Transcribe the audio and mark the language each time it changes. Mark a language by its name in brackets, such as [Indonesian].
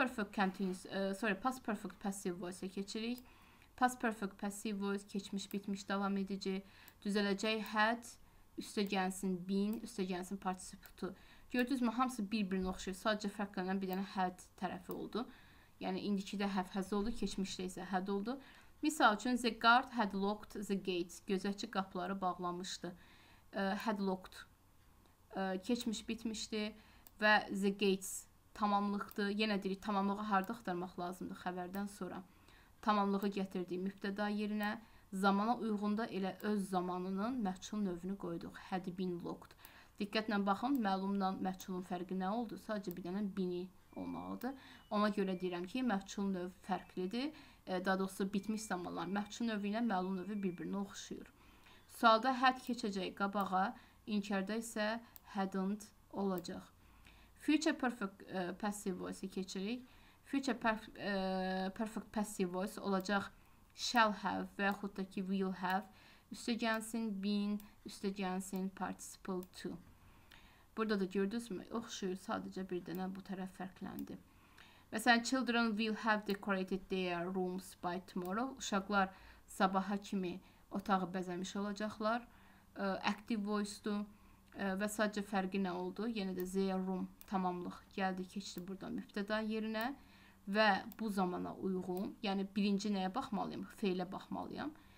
[Azerbaijani] Past perfect passive voice-ə keçirik. Past perfect passive voice, keçmiş bitmiş davam edici, düzələcək had, üstə gəlsin been, üstə gəlsin participle-u. Gördünüzmü, hamısı bir-birinə oxşayır, sadəcə fərqlənən bir dənə had tərəfi oldu. Yəni, indiki də have has oldu, keçmişdə isə had oldu. Misal üçün, [English] the guard had locked the gates, [Azerbaijani] gözətçi qapıları bağlamışdı. Had locked, keçmiş bitmişdi və the gates tamamlıqdı. Yenə deyirik, tamamlığı harda axtarmaq lazımdır xəbərdən sonra. Tamamlığı gətirdiyi mübtəda yerinə, zamana uyğunda elə öz zamanının məhçul növünü qoyduq. Had been locked. Diqqətlə baxın, məlumla məhçulun fərqi nə oldu? Sadəcə bir dənə been-i olmalıdır. Ona görə deyirəm ki, məhçul növ fərqlidir. Daha doğrusu, bitmiş zamanlar məhçul növü ilə məlum növü bir-birinə oxşuyur. Sualda had keçəcək qabağa, inkarda isə hadn't olacaq. Future perfect passive voice-i keçirik. Future perfect passive voice olacaq shall have və yaxud da ki will have. Üstə gəlsin been, üstə gəlsin participle to. Burada da gördünüzmü? Oxşuyur, sadəcə bir dənə bu tərəf fərqləndi. Məsələn, [English] children will have decorated their rooms by tomorrow. [Azerbaijani] Uşaqlar sabaha kimi otağı bəzəmiş olacaqlar. Active voice-dur. Və sadəcə fərqi nə oldu? Yenə də their room tamamlıq gəldi, keçdi burada mübtəda yerinə. Və bu zamana uyğun, yəni birinci nəyə baxmalıyam? Feilə baxmalıyam.